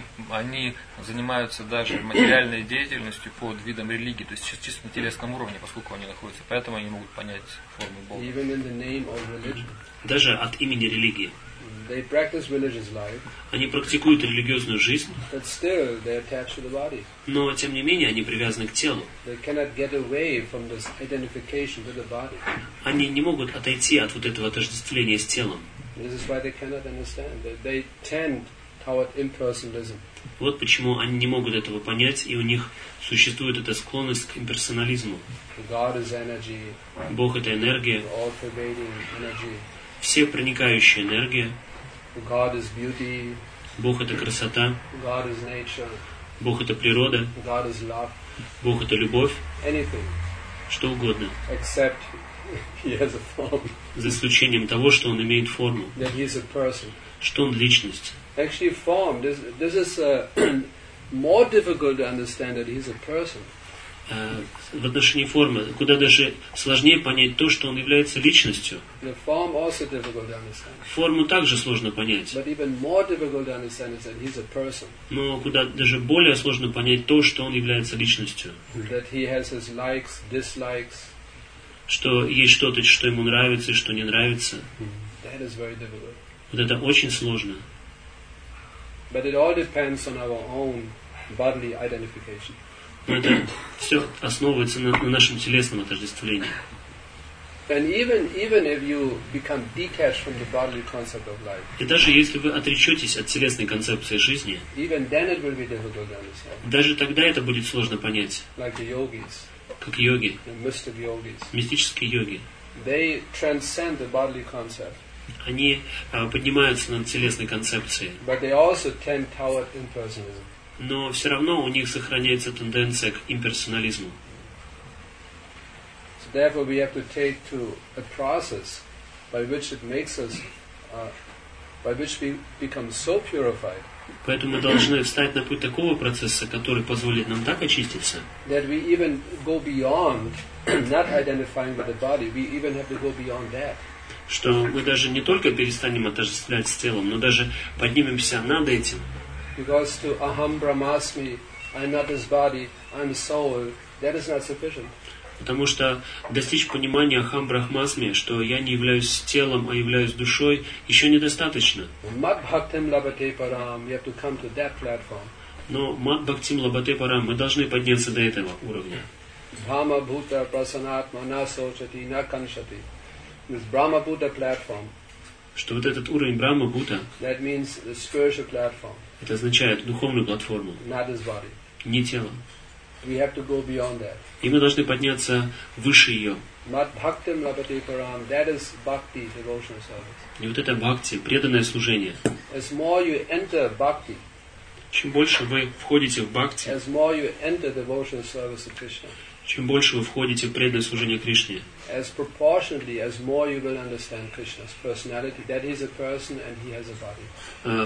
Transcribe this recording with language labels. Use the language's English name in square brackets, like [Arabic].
[Russian] Они занимаются даже материальной деятельностью под видом религии, то есть чисто на телесном уровне, поскольку они находятся. Поэтому они могут понять форму Бога. [English] Even in the name of religion, [Russian] даже от имени религии. [English] They practice religious life, [Russian] они практикуют религиозную жизнь, [English] but still they attach to the body. [Russian] Но тем не менее они привязаны к телу. [English] They cannot get away from this identification with the body. [Russian] Они не могут отойти от вот этого отождествления с телом. [English] This is why they cannot understand. They tend toward impersonalism. [Russian] Вот почему они не могут этого понять, и у них существует эта склонность к имперсонализму. [English] God is energy. [Russian] Бог — это энергия. [English] All pervading energy. [Russian] Все проникающая энергия. [English] God is beauty. [Russian] Бог — это красота. [English] God is nature. [Russian] Бог — это природа. [English] God is love. [Russian] Бог — это любовь. [English] Anything. [Russian] Что угодно. [English] Except he has a form. [Russian] За исключением того, что он имеет форму. [English] That he is a person. [Russian] Что он — личность. [English] Actually, form. This is more difficult to understand that he's a person. [Russian] В отношении формы, куда даже сложнее понять то, что он является личностью. [English] The form also difficult to understand. [Russian] Форму также сложно понять. [English] But even more difficult to understand is that he's a person. [Russian] Но куда даже более сложно понять то, что он является личностью. [English] That he has his likes, dislikes. [Russian] Что есть что-то, что ему нравится и что не нравится. [English] That is very difficult. [Russian] Вот это очень сложно. [English] But it all depends on our own bodily identification. [Russian] Но это все основывается на нашем телесном отождествлении. [English] And even if you become detached from the bodily concept of life. [Russian] И даже если вы отречетесь от телесной концепции жизни. [English] Even then it will be difficult to understand. [Russian] Даже тогда это будет сложно понять. [English] Like the yogis. [Russian] Как йоги. [English] The mystic yogis. [Russian] Мистические йоги. [English] They transcend the bodily concept. [Russian] Они поднимаются над телесной концепцией. [English] But they also tend toward impersonalism. [Russian] Но все равно у них сохраняется тенденция к имперсонализму. [English] So therefore we have to take to a process by which it makes us by which we become so purified. [Russian] Поэтому мы должны встать на путь такого процесса, который позволит нам так очиститься. [English] That we even go beyond not identifying with the body, we even have to go beyond that. [Russian] Что мы даже не только перестанем отождествлять с телом, но даже поднимемся над этим. [English] Because to [Sanskrit] aham brahmasmi, [English] I'm not this body, I'm soul, that is not sufficient. [Russian] Потому что достичь понимания [Sanskrit] aham brahmasmi, [Russian] что я не являюсь телом, а являюсь душой, еще недостаточно. [Sanskrit] Mad bhaktim labhate param, [English] you have to come to that platform. [Russian] Но [Sanskrit] mad bhaktim labhate param, [Russian] мы должны подняться до этого уровня. [Sanskrit] Bhama bhuta prasanatma na sochati na kanshati. [English] This Brahma Buddha platform. [Russian] Что вот этот уровень Брахма Бута. [English] That means the spiritual platform. [Russian] Это означает духовную платформу. [English] Not his body. [Russian] Не телом. [English] We have to go beyond that. [Russian] И мы должны подняться выше ее. [Sanskrit] Mad bhaktim labhate param. [English] That is bhakti, devotional service. [Russian] И вот это бхакти, преданное служение. [English] As more you enter bhakti. [Russian] Чем больше вы входите в бхакти. [English] As more you enter devotional service to Krishna. [Russian] Чем больше вы входите в преданное служение Кришне. [English] As proportionally as more you will understand Krishna's personality, that he is a person and he has a body.